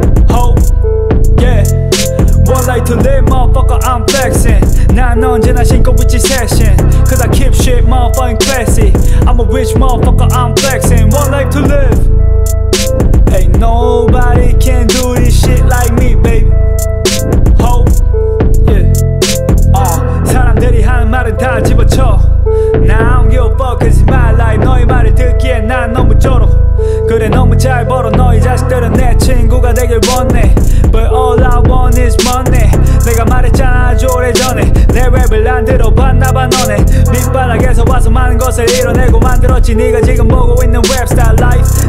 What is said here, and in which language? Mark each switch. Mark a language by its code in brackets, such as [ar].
[en] Ho. Yeah. One life to live, motherfucker, I'm flexing. [ko] 난 언제나 신고 있지 [en] session. Cause I keep shit motherfucking classy. I'm a rich motherfucker, I'm flexing. One life to live. Ain't nobody can do this shit like me, baby. Ho. Yeah. [ko] 사람들이 하는 말은 다 집어쳐. [en] Now I don't give a fuck, it's my life. [ko] 너의 말을 듣기엔 난 너무 쩔어. 그래 너무 잘 벌어. 너희 자식들은 내 친구가 되길 원해. [en] But all I want is money. [ko] 내가 말했잖아 아주 오래전에. 내 랩을 안 들어봤나 봐 너네. 밑바닥에서 와서 많은 것을 이뤄내고 만들었지. 네가 지금 보고 있는 웹스타일 life.